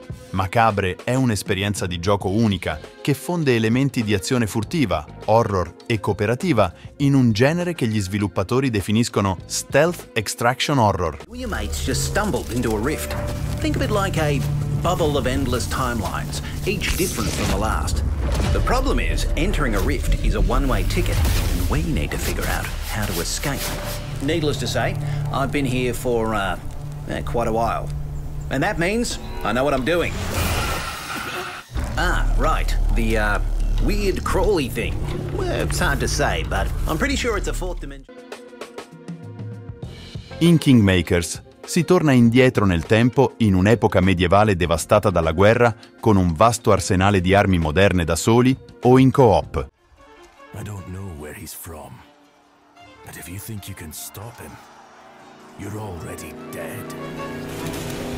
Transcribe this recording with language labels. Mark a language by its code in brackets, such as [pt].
[it] Macabre è un'esperienza di gioco unica che fonde elementi di azione furtiva, horror e cooperativa in un genere che gli sviluppatori definiscono stealth extraction horror. [en] Your mates just stumbled into a rift. Think of it like a bubble of endless timelines, each different from the last. The problem is, entering a rift is a one-way ticket, and we need to figure out how to escape. Needless to say, I've been here for quite a while. And that means I know what I'm doing. Ah, right. The weird crawly thing. Well, it's hard to say, but I'm pretty sure it's a fourth dimension. [it] In Kingmakers si torna indietro nel tempo in un'epoca medievale devastata dalla guerra con un vasto arsenale di armi moderne da soli o in co-op. [en] I don't know where he's from. But if you think you can stop him, you're already dead.